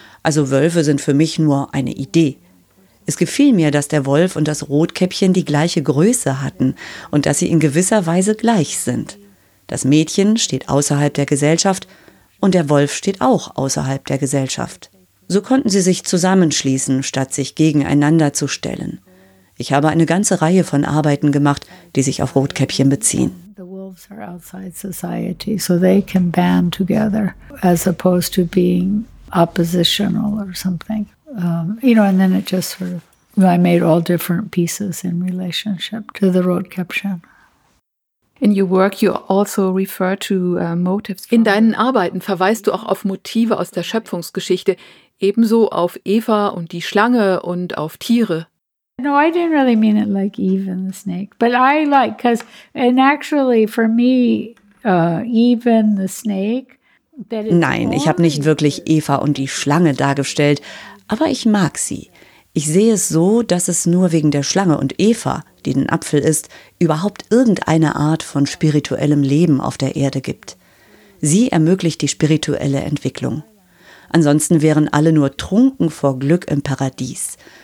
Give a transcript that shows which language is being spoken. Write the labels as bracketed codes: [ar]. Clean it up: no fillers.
[de] Also Wölfe sind für mich nur eine Idee. Es gefiel mir, dass der Wolf und das Rotkäppchen die gleiche Größe hatten und dass sie in gewisser Weise gleich sind. Das Mädchen steht außerhalb der Gesellschaft und der Wolf steht auch außerhalb der Gesellschaft. So konnten sie sich zusammenschließen, statt sich gegeneinander zu stellen. Ich habe eine ganze Reihe von Arbeiten gemacht, die sich auf Rotkäppchen beziehen. [en] The wolves are outside society, so they can band together as opposed to being oppositional or something. And then it just sort of, I made all different pieces in relationship to the Rotkäppchen. In your work you also refer to motives. [de] In deinen Arbeiten verweist du auch auf Motive aus der Schöpfungsgeschichte, ebenso auf Eva und die Schlange und auf Tiere. [en] No, I didn't really mean it like Eve and the snake, but I like, because, and actually for me, Eve and the snake. That is. [de] Nein, ich habe nicht wirklich Eva und die Schlange dargestellt, aber ich mag sie. Ich sehe es so, dass es nur wegen der Schlange und Eva, die den Apfel isst, überhaupt irgendeine Art von spirituellem Leben auf der Erde gibt. Sie ermöglicht die spirituelle Entwicklung. Ansonsten wären alle nur trunken vor Glück im Paradies.